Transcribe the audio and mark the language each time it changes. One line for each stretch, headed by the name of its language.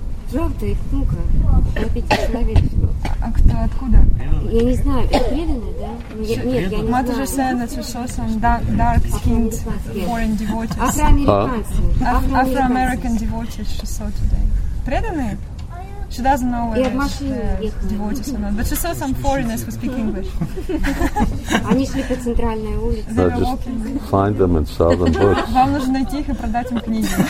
Russian: Правда, их много, на 5 человек. А кто, откуда? Я не знаю, это преданные, да? Нет, я не знаю.
English: Mother just said that you saw some dark-skinned foreign devotees.
Russian: Афроамериканцы.
English: Afro-American devotees she saw today.
Russian: Преданные?
English: She doesn't know where the devotees are not. But she saw some foreigners who speak English.
Russian: Они шли по центральной улице.
English: They're just walking. Find them and sell them books.
Russian: Вам нужно найти их и продать им книги.